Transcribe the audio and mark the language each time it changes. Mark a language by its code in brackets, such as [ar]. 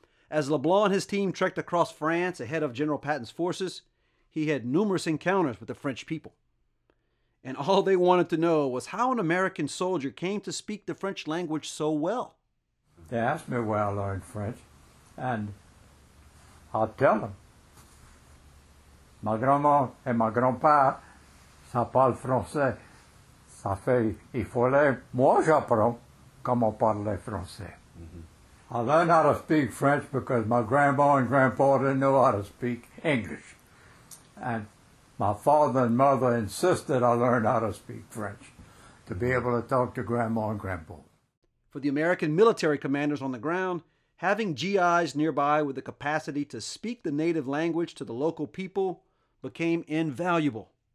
[en] As LeBlanc and his team trekked across France ahead of General Patton's forces, he had numerous encounters with the French people. And all they wanted to know was how an American soldier came to speak the French language so well. They asked me where I learned French, and I'll tell them. [fr] Ma grand-mère et ma grand-père, ça parle français. Ça fait, il fallait, moi j'apprends comment parler français. Mm-hmm. [en] I learned how to speak French because my grandma and grandpa didn't know how to speak English. And my father and mother insisted I learn how to speak French to be able to talk to grandma and grandpa. For the American military commanders on the ground, having GIs nearby with the capacity to speak the native language to the local people became invaluable.